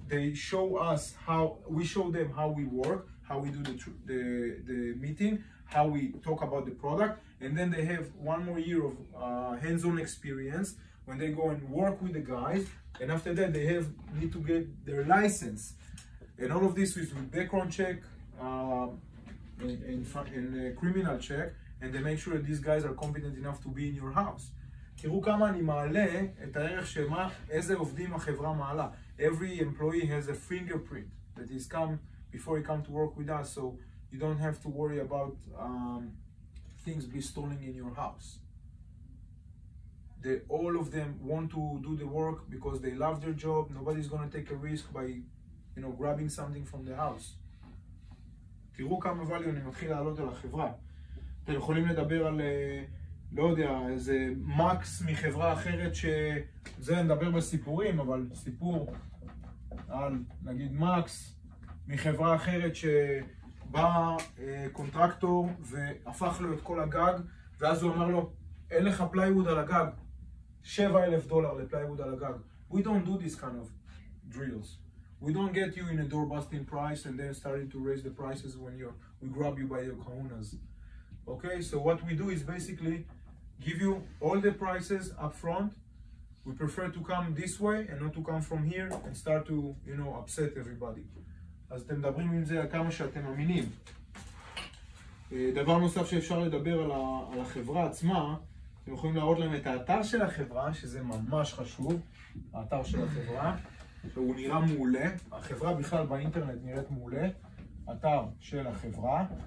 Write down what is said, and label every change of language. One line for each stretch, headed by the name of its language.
English: They show us how we work, how we do the meeting, how we talk about the product, and then they have one more year of hands-on experience when they go and work with the guys, and after that they need to get their license, and all of this is with background check and a criminal check, and they make sure that these guys are competent enough to be in your house.
Hebrew: תראו כמה אני מעלה את הערך שמה, איזה עובדים החברה מעלה.
English: Every employee has a fingerprint that he's come before he come to work with us, so you don't have to worry about things be stolen in your house. All of them want to do the work because they love their job. Nobody's going to take a risk by, you know, grabbing something from the house.
Hebrew: תראו כמה value אני מתחיל לעלות על החברה. אתם יכולים לדבר על, לא יודע, איזה מקס מחברה אחרת שזה נדבר בסיפורים, אבל סיפור על נגיד מקס מחברה אחרת שבא קונטרקטור והפך לו את כל הגג, ואז הוא אמר לו, אין לך פלייווד על הגג, $7,000 לפלייווד על הגג.
English: We don't do this kind of drills. We don't get you in a door busting price and then starting to raise the prices when we grab you by your kahunas. Okay, so what we do is basically give you all the prices up front. We prefer to come this way and not to come from here and start to, you know, upset everybody.
Hebrew: אז אתם מדברים עם זה כמה שאתם מאמינים. דבר נוסף שאפשר לדבר על החברה עצמה, אתם יכולים להראות להם את האתר של החברה, שזה ממש חשוב, האתר של החברה, שהוא נראה מעולה. החברה בכלל באינטרנט נראית מעולה, אתר של החברה.